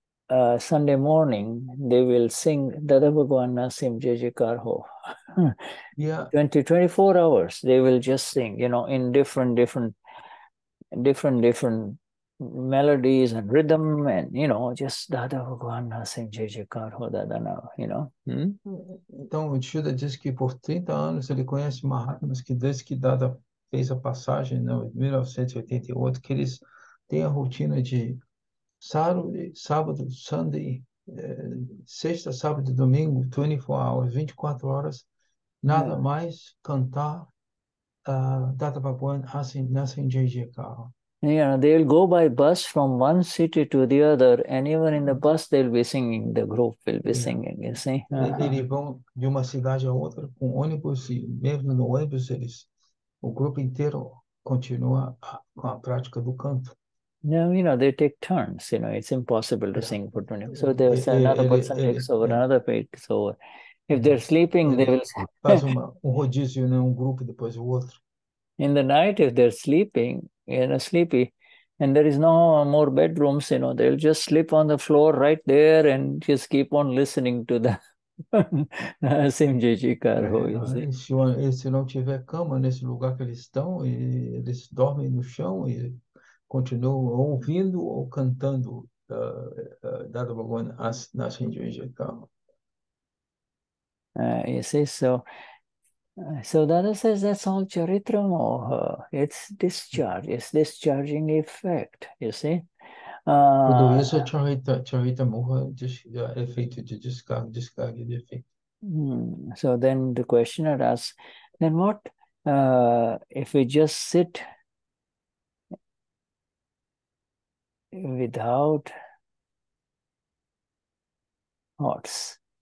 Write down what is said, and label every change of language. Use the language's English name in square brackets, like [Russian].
[English] Sunday morning, they will sing Dada Bhagwan Nasim Jai Jai Kar Ho. 24 hours, they will just sing, you know, in different melodies and rhythm, and you know, just Dada Bhagwan Nasim Jai Jai Kar Ho Dada Na, you know. [Portuguese] Então, o Shuddha diz que por 30 anos ele conhece Mahatmas que desde que Dada fez a passagem, né, em 1988, que eles têm a rotina de sábado, Sunday, sexta, sábado e domingo, 24 horas, nada mais cantar Dada Bhagwan Nasim Jai Jai Kar Ho. [English] Yeah, they'll go by bus from one city to the other, and even in the bus they'll be singing, the group will be singing, you see. [Portuguese] Eles vão de uma cidade a outra com ônibus, e mesmo no ônibus eles, o grupo inteiro continua com a prática do canto. [English] Now, you know, they take turns, you know, it's impossible to sing for 20. So there's another person takes over, another takes over. If they're sleeping, they will [Portuguese] faz um rodízio, né, um grupo depois o outro. [English] In the night, if they're sleeping, you know, sleepy, and there is no more bedrooms, you know, they'll just sleep on the floor right there and just keep on listening to the Nasim Jai Jai Kar Ho. [Portuguese] Se não tiver cama nesse lugar que eles estão, e eles dormem no chão e continuam ouvindo ou cantando Dada Bhagwan Nasim Jai Jai Kar Ho. [English] You see, so Dada says that's all charitra moha. It's discharge, it's discharging effect, you see. [Portuguese] Tudo isso é charitra moha, efeito de descarga, descarga de efeito. [English] So then the questioner asks, then what if we just sit without thoughts?